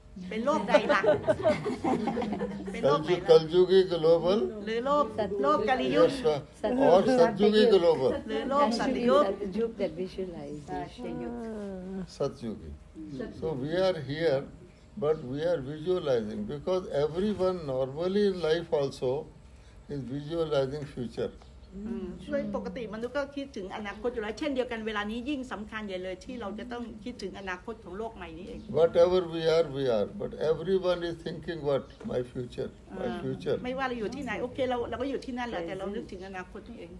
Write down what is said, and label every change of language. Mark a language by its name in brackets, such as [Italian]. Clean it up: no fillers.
[Thai] เป็นโลกใดล่ะ เป็นโลกไหนล่ะ คัลจุกิ global หรือโลกกาลียุค หรือสัตยุกิ global หรือโลกสัตยุ ก สัตยุก [English] that visualization สัตยุก so we are here but we are visualizing because everyone normally in life also is visualizing future [Thai] ช่วยปกติมนุษย์ก็คิดถึงอนาคตอยู่แล้วเช่นเดียวกันเวลานี้ยิ่งสำคัญใหญ่เลยที่เราจะต้องคิดถึงอนาคตของโลกใหม่นี้เอง [English] Whatever we are but everyone is thinking what my future [Thai] ไม่ว่าเราอยู่ที่ไหนโอเคเราก็อยู่ที่นั่นแหละแต่เรานึกถึงอนาคตนี่เอง